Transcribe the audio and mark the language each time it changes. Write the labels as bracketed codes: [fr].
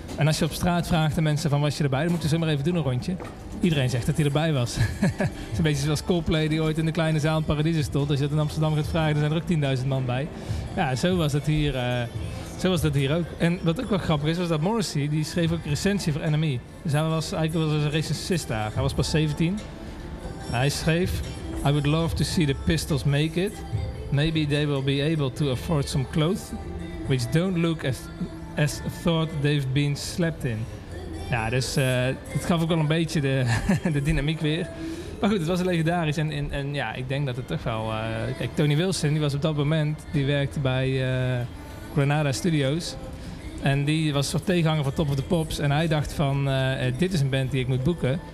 [nl] En als je op straat vraagt de mensen van was je erbij, dan moeten ze maar even doen een rondje. Iedereen zegt dat hij erbij was. Het is een beetje zoals Coldplay die ooit in de kleine zaal in Paradiso stond. Als je dat in Amsterdam gaat vragen, dan zijn er ook 10.000 man bij. Ja, zo was dat hier. Zo was dat hier ook. En wat ook wel grappig is, was dat Morrissey, die schreef ook recensie voor NME. Dus hij was eigenlijk een recensist daar. Hij was pas 17. Hij schreef, [en] I would love to see the Pistols make it. Maybe they will be able to afford some clothes which don't look as thought they've been slept in. [nl] Ja, dus het gaf ook wel een beetje de dynamiek weer. Maar goed, het was legendarisch. En ja, ik denk dat het toch wel... kijk, Tony Wilson, die was op dat moment, die werkte bij Granada Studios. En die was een soort tegenhanger van Top of the Pops. En hij dacht van, dit is een band die ik moet boeken.